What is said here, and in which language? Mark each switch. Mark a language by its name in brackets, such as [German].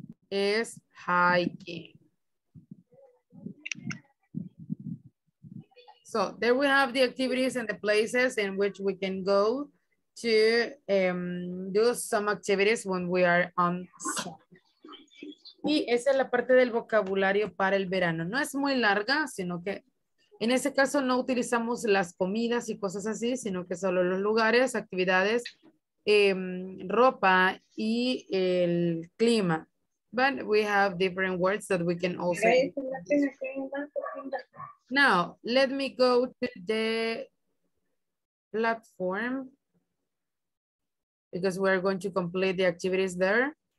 [English] Is hiking. So there we have the activities and the places in which we can go to do some activities when we are on summer. [Spanish] Y esa es la parte del vocabulario para el verano. No es muy larga, sino que en ese caso no utilizamos las comidas y cosas así, sino que solo los lugares, actividades, ropa y el clima. [English] But we have different words that we can also use. Now, let me go to the platform because we're going to complete the activities there.